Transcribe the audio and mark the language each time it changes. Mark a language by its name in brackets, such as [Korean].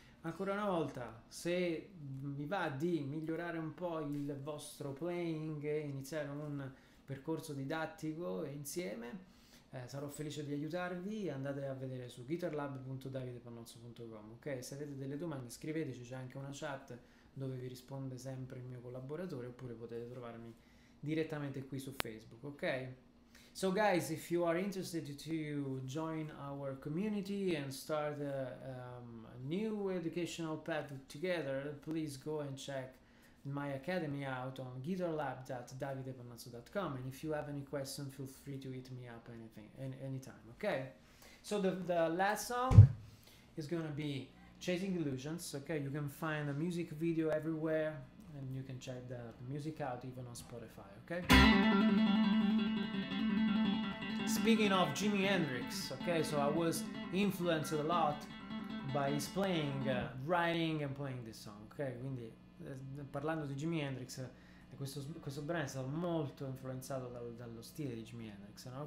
[Italian] Ancora una volta, se vi va di migliorare un po' il vostro playing e iniziare un percorso didattico insieme, sarò felice di aiutarvi. Andate a vedere su guitarlab.davidepannozzo.com, ok? Se avete delle domande, scriveteci, c'è anche una chat dove vi risponde sempre il mio collaboratore, oppure potete trovarmi direttamente qui su Facebook, ok? [English] So guys, if you are interested to join our community and start a new educational path together, please go and check my academy out on guitarlab.davidepannozzo.com, and if you have any question, feel free to hit me up anytime, ok? So the last song is gonna be Chasing Illusions, ok? You can find the music video everywhere. And you can check the music out even on Spotify, okay? Speaking of Jimi Hendrix, okay, so I was influenced a lot by his playing, writing and playing this song, okay? [Italian] Quindi parlando di Jimi Hendrix, questo brano è stato molto influenzato dallo stile di Jimi Hendrix, no?